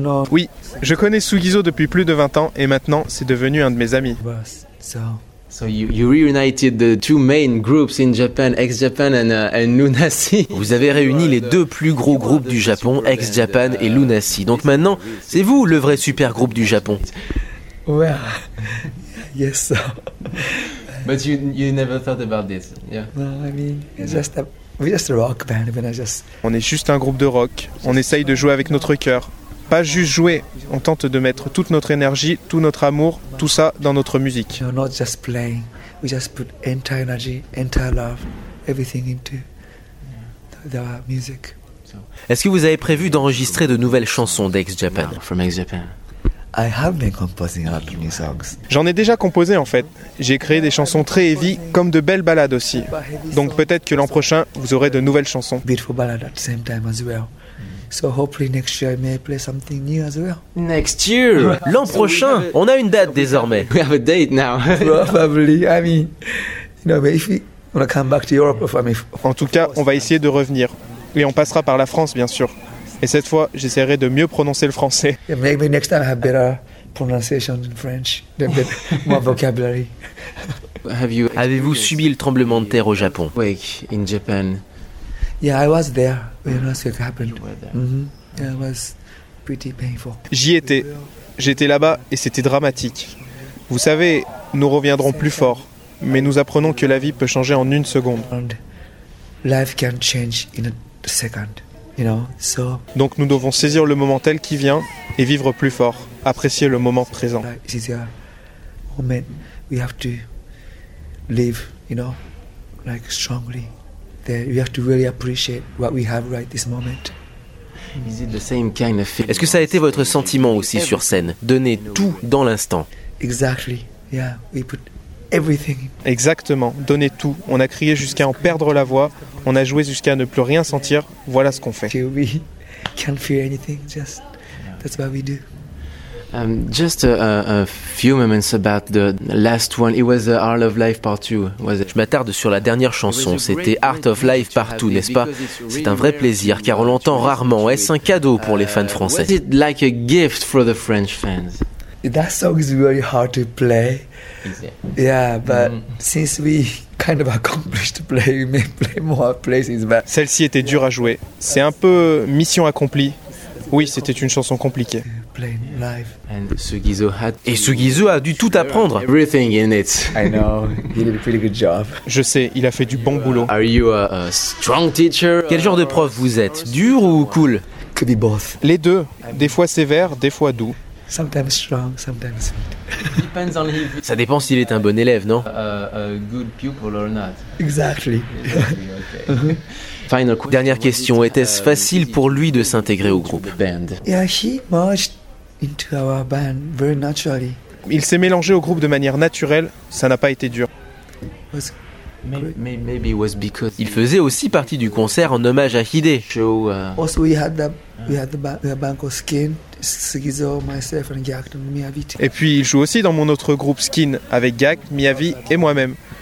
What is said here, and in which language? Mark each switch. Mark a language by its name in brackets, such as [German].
[French] Oui, je connais Sugiso depuis plus de 20 ans et maintenant c'est devenu un de mes amis. [English] So you reunited the two main groups in Japan, X-Japan and Lunacy. [French] Vous avez réuni les deux plus gros groupes du Japon, X-Japan et Lunacy. Donc maintenant, c'est vous le vrai super groupe du Japon. [English] Well, yes. So. But you never thought about this. Yeah. Well, I mean, it's just a rock band, but I just. [French] On est juste un groupe de rock. On essaye de jouer avec notre cœur. Pas juste jouer, on tente de mettre toute notre énergie, tout notre amour, tout ça dans notre musique. [English] We're not just playing, we just put entire energy, entire love, everything into the music. [French] Est-ce que vous avez prévu d'enregistrer de nouvelles chansons d'ex-Japan? [English] From ex-Japan. I have been composing a lot of new songs. [French] J'en ai déjà composé en fait. J'ai créé des chansons très heavy, comme de belles ballades aussi. Donc peut-être que l'an prochain, vous aurez de nouvelles chansons. [English] Beautiful ballad at the same time as well. So hopefully next year I may play something new as well. Next year, [French] l'an prochain, on a une date désormais. [English] We have a date now. Probably, I mean, you know, if we want to come back to Europe, I mean. [French] En tout cas, on va essayer de revenir, et on passera par la France, bien sûr. Et cette fois, j'essaierai de mieux prononcer le français. [English] Yeah, maybe next time I have better pronunciation in French, a bit more vocabulary. [French] Avez-vous subi le tremblement de terre au Japon? [English] Wake in Japan. Yeah, I was there when the earthquake happened. Mm-hmm. Yeah, it was pretty painful. [French] J'y étais. J'étais là-bas et c'était dramatique. Vous savez, nous reviendrons plus fort, mais nous apprenons que la vie peut changer en une seconde. [English] Life can change in a second, you know. So. [French] Donc nous devons saisir le moment tel qu'il vient et vivre plus fort, apprécier le moment présent. [English] It's a moment we have to live, you know, like strongly. We have to really appreciate what we have right this moment. Is it the same kind of feeling? [French] Est-ce que ça a été votre sentiment aussi sur scène? Donner tout dans l'instant. [English] Exactly. Yeah, we put everything. [French] Exactement, donner tout. On a crié jusqu'à en perdre la voix, on a joué jusqu'à ne plus rien sentir. Voilà ce qu'on fait. [English] We can't feel anything, just that's what we do. Just a few moments about the last one. It was Our Love Life Part 2, was it? [French] Je m'attarde sur la dernière chanson. C'était Art of Life Part 2, n'est-ce pas? C'est un vrai plaisir, car on l'entend rarement. Est-ce un cadeau pour les fans français? [English] Was it like a gift for the French fans? That song is really hard to play. Easy. Yeah, but since we kind of accomplished to play, we may play more places. But [French] celle-ci était dure à jouer. C'est un peu mission accomplie. Oui, c'était une chanson compliquée. [English] And Sugiso had. [French] Et Sugiso a dû tout apprendre. [English] Everything in it. I know. He did a pretty good job. [French] Je sais, il a fait du bon boulot. [English] Are you a strong teacher? [French] Quel genre de prof vous êtes? Dur ou cool? [English] Could be both. [French] Les deux. Des fois sévère, des fois doux. [English] Sometimes strong, sometimes sweet. Depends on him. [French] Ça dépend s'il est un bon élève, non? [English] A good pupil or not? Exactly. Final question. [French] Dernière question. Était-ce facile pour lui de s'intégrer au groupe? [English] Band. Yeah, he merged into our band very naturally. [French] Il s'est mélangé au groupe de manière naturelle. Ça n'a pas été dur. [English] Maybe it was because [French] il faisait aussi partie du concert en hommage à Hide. [English] Show. Also, we had the band called Skin. Sugiso, myself and Gak and Miyavi. [French] Et puis il joue aussi dans mon autre groupe Skin avec Gak, Miyavi et moi-même.